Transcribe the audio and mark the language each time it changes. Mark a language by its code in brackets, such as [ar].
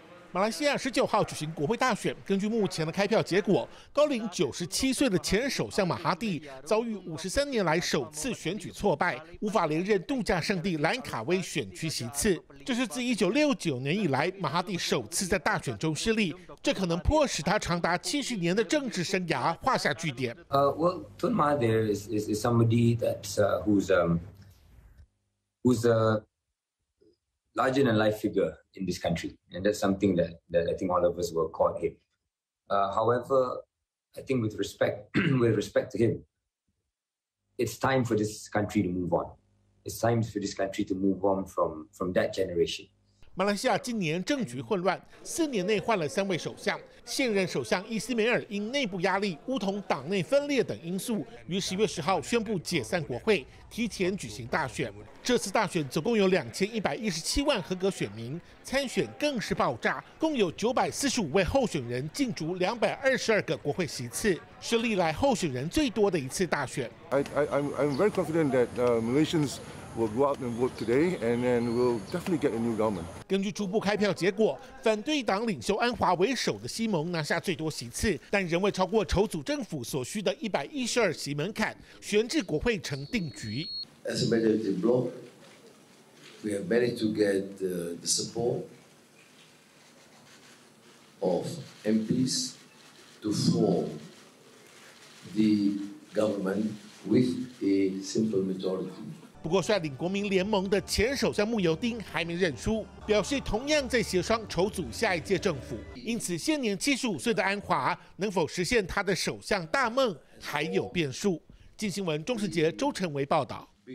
[zh] 马来西亚19号举行国会大选，根据目前的开票结果，高龄97岁的前首相马哈蒂遭遇53年来首次选举挫败，无法连任度假胜地兰卡威选区席次。这是自1969年以来马哈蒂首次在大选中失利，这可能迫使他长达70年的政治生涯画下句点。 [en] Well, Tun Mahathir is somebody that's who's a larger than life figure. In this country, and that's something that I think all of us were caught him. However, I think with respect to him, it's time for this country to move on. It's time for this country to move on from that generation. [zh] 马来西亚今年政局混乱，4年内换了3位首相，现任首相伊斯梅尔因内部压力、巫统党内分裂等因素，于10月10号宣布解散国会，提前举行大选。这次大选总共有2117万合格选民参选，更是爆炸，共有945位候选人竞逐222个国会席次，是历来候选人最多的一次大选。 [en] I'm very confident that Malaysians will go out and vote today, and then we'll definitely get a new government. [zh] 根据初步开票结果，反对党领袖安华为首的西蒙拿下最多席次，但仍未超过筹组政府所需的112席门槛，悬置国会成定局。 [en] As a majority bloc, we have managed to get the support of MPs to form the government with a simple majority. [zh] 不过，率领国民联盟的前首相穆尤丁还没认输，表示同样在协商筹组下一届政府。因此，现年75岁的安华能否实现他的首相大梦，还有变数。镜新闻，钟世杰、周成维报道。